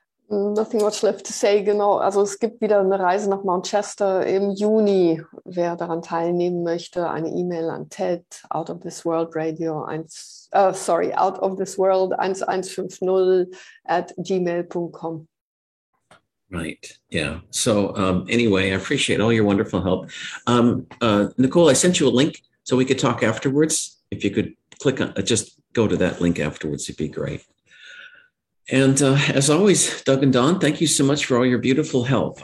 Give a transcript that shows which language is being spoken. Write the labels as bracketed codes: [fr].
[en] Nothing much left to say, genau. [de] Also es gibt wieder eine Reise nach Mount Shasta im Juni. Wer daran teilnehmen möchte, eine E-Mail an Ted, outofthisworld1150@gmail.com. [en] Right, yeah. So anyway, I appreciate all your wonderful help. Nicole, I sent you a link so we could talk afterwards. If you could click on, just go to that link afterwards, it'd be great. And as always, Doug and Don, thank you so much for all your beautiful help.